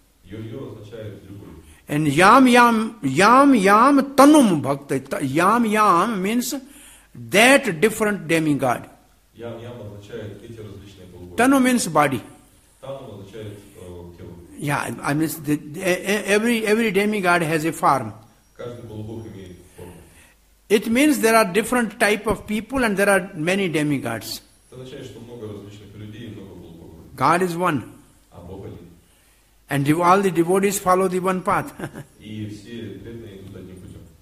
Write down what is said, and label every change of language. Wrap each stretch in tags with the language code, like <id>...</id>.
<ru>Yo yo означает.</ru> <sa>And yam yam yam yam tanum bhakta.</sa> <en>Yam yam means that different demigod.</en> <ru>Yam yam означает эти различные полубоги.</ru> <en>Tanu means body.</en> <ru>Tanu означает тело.</ru> <en>Yeah, I mean every demigod has a form.</en> <ru>Каждый полубог имеет форму.</ru> <en>It means there are different type of people and there are many demigods.</en> <ru>Это означает, что много различных людей и много полубогов.</ru> <en>God is one.</en> <ru>А Бог один.</ru> <en>And all the devotees follow the one path.</en> <ru>И все преданные идут одним путем.</ru>